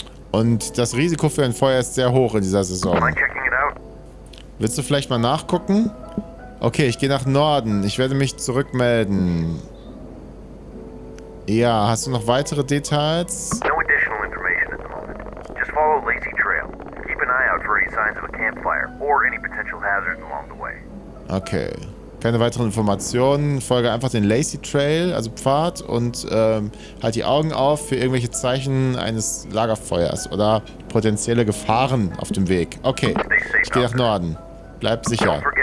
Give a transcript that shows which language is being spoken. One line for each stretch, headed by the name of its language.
German: Und das Risiko für ein Feuer ist sehr hoch in dieser Saison. Willst du vielleicht mal nachgucken? Okay, ich gehe nach Norden. Ich werde mich zurückmelden. Ja, hast du noch weitere Details?
English: No additional information at the moment. Just follow Lazy Trail. Keep an eye out for any signs of a campfire or any potential hazards along the way. Okay.
German: Keine weiteren Informationen, folge einfach den Lazy Trail, also Pfad, und halt die Augen auf für irgendwelche Zeichen eines Lagerfeuers oder potenzielle Gefahren auf dem Weg. Okay, ich gehe nach Norden. Bleib sicher.